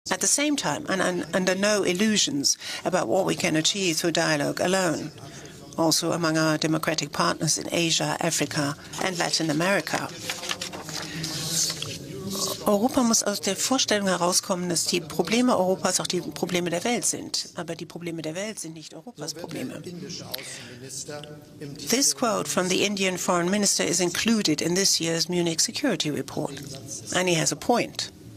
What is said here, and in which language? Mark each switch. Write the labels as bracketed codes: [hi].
[en] At the same time, and under no illusions about what we can achieve through dialogue alone, also among our democratic partners in Asia, Africa, and Latin America. [de] Europa muss aus der Vorstellung herauskommen, dass die Probleme Europas auch die Probleme der Welt sind. Aber die Probleme der Welt sind nicht Europas Probleme. [en] This quote from the Indian foreign minister is included in this year's Munich Security Report. And he has a point.